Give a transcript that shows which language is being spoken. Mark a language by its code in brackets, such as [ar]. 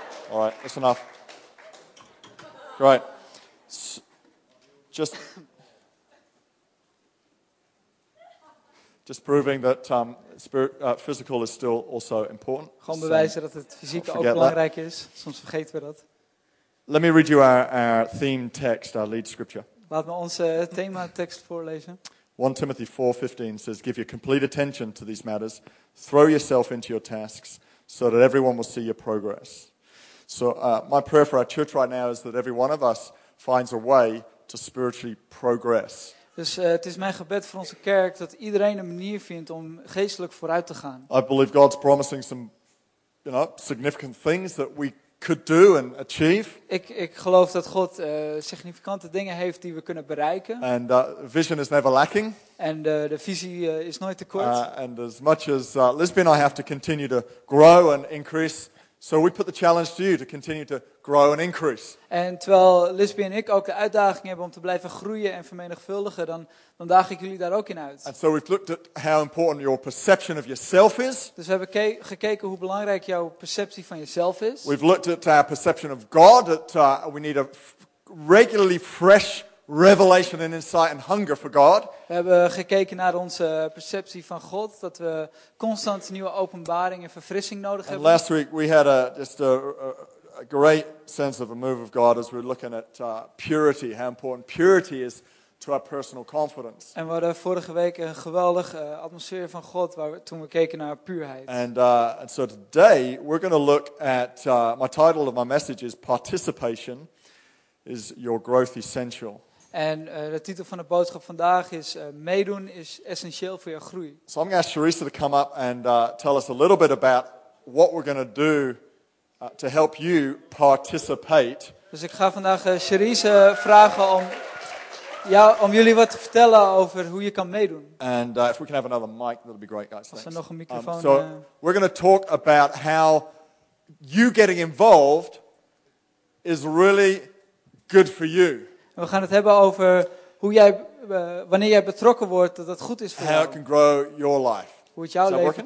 [en] All right, that's enough. Great. Just proving that physical is still also important. [nl] Gewoon bewijzen dat het fysiek ook belangrijk is. Soms vergeten we dat. [en] Let me read you our theme text, our lead scripture. [nl] Laat me onze thema tekst voorlezen. [en] 1 Timothy 4:15 says, "Give your complete attention to these matters. Throw yourself into your tasks so that everyone will see your progress." So my prayer for our church right now is that every one of us finds a way to spiritually progress. [nl] Dus het is mijn gebed voor onze kerk dat iedereen een manier vindt om geestelijk vooruit te gaan. [en] I believe God's promising some, you know, significant things that we could do and achieve. [nl] Ik geloof dat God significante dingen heeft die we kunnen bereiken. [en] And vision is never lacking. [nl] En de visie is nooit tekort. [en] And as much as Lisbon, I have to continue to grow and increase. So we put the challenge to you to continue to grow and increase. [nl] En terwijl Lisby en ik ook de uitdaging hebben om te blijven groeien en vermenigvuldigen, dan daag ik jullie daar ook in uit. [en] And so we've looked at how important your perception of yourself is. [nl] Dus we hebben gekeken hoe belangrijk jouw perceptie van jezelf is. [en] We've looked at our perception of God, that we need a regularly fresh revelation and insight and hunger for God. [nl] We hebben gekeken naar onze perceptie van God, dat we constant nieuwe openbaring en verfrissing nodig hebben. [en] And last week we had a great sense of a move of God as we're looking at purity, how important purity is to our personal confidence. [nl] En we hadden vorige week een geweldig atmosfeer van God toen we keken naar puurheid. [en] And so today we're going to look at my title of my message is Participation is Your Growth Essential. [nl] En de titel van de boodschap vandaag is meedoen is essentieel voor je groei. [en] So I'm going to ask Charissa to come up and tell us a little bit about what we're going to do to help you participate. [nl] Dus ik ga vandaag Charissa vragen om jullie wat te vertellen over hoe je kan meedoen. [en] And if we can have another mic, that'll be great, guys. [nl] Als er nog een microfoon. [en] We're going to talk about how you getting involved is really good for you. [nl] We gaan het hebben over hoe jij, wanneer jij betrokken wordt, dat goed is voor [en] how [nl] jou. [en] How it can grow your life. [nl] Hoe het jouw leven [en] working?